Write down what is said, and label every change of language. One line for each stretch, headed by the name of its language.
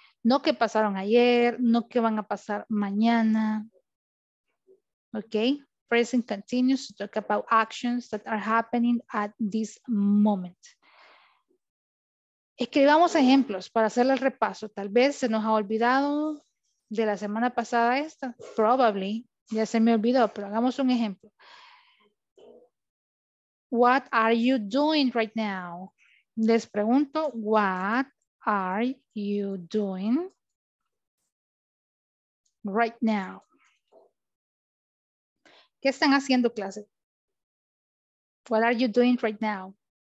Spanish: No que pasaron ayer, no que van a pasar mañana.
English: Okay, present continuous to talk about actions that are happening at this moment.
Spanish: Escribamos ejemplos para hacer el repaso. Tal vez se nos ha olvidado de la semana pasada esta. Probably, ya se me olvidó, pero hagamos un ejemplo.
English: What are you doing right now?
Spanish: Les pregunto,
English: what are you doing right now?
Spanish: ¿Qué están haciendo, clase?
English: What are you doing right now?